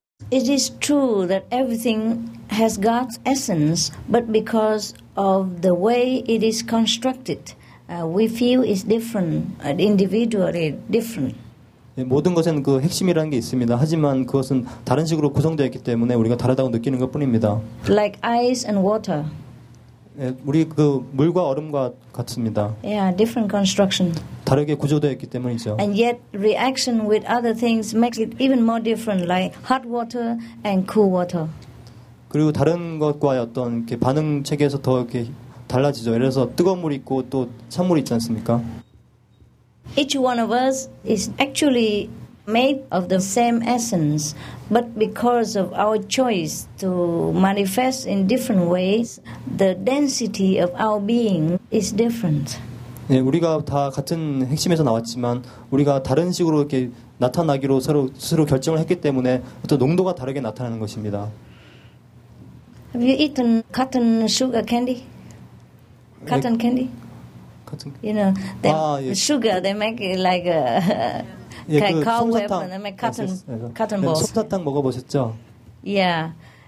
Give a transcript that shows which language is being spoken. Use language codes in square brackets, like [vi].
[en] It is true that everything has God's essence, but because of the way it is constructed, we feel it's different, individually different. [ko] 모든 것은 그 핵심이라는 게 있습니다. 하지만 그것은 다른 식으로 구성되어 있기 때문에 우리가 다르다고 느끼는 것뿐입니다. [en] Like ice and water. [ko] 우리 그 물과 얼음과 같습니다. [en] Yeah, different construction. [ko] 다르게 구조되어 있기 때문이죠. [en] And yet reaction with other things makes it even more different, like hot water and cool water. [ko] 그리고 다른 것과 어떤 이렇게 반응 체계에서 더 이렇게 달라지죠. 예를 들어서 뜨거운 물 있고 또 찬 물 있지 않습니까? [en] Each one of us is actually made of the same essence, but because of our choice to manifest in different ways, the density of our being is different. [ko] 네, 우리가 다 같은 핵심에서 나왔지만 우리가 다른 식으로 이렇게 나타나기로 스스로 결정을 했기 때문에 어떤 농도가 다르게 나타나는 것입니다. [en] Have you eaten cotton sugar candy? Cotton candy? You know, they, [ko] 아, 예. [en] the sugar, they make it like a [ko] 예, [en] like 그 cow weapon, they make cotton, 아, cotton balls. [ko] 네, 솜사탕 먹어보셨죠? [en] Yeah.